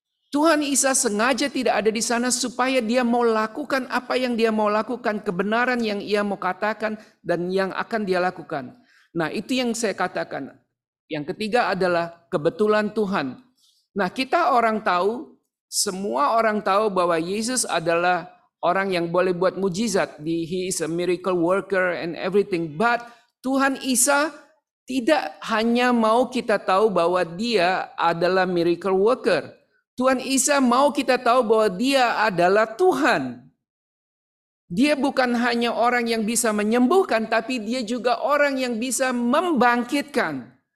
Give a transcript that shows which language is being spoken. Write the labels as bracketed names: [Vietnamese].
[Indonesian] Tuhan Isa sengaja tidak ada di sana supaya dia mau lakukan apa yang dia mau lakukan, kebenaran yang ia mau katakan dan yang akan dia lakukan. Nah, itu yang saya katakan. Yang ketiga adalah kebetulan Tuhan. Nah, kita orang tahu, semua orang tahu bahwa Yesus adalah orang yang boleh buat mujizat. [English] He is a miracle worker and everything. [Indonesian] But Tuhan Isa tidak hanya mau kita tahu bahwa dia adalah miracle worker. Tuhan Isa mau kita tahu bahwa dia adalah Tuhan. Dia bukan hanya orang yang bisa menyembuhkan, tapi dia juga orang yang bisa membangkitkan.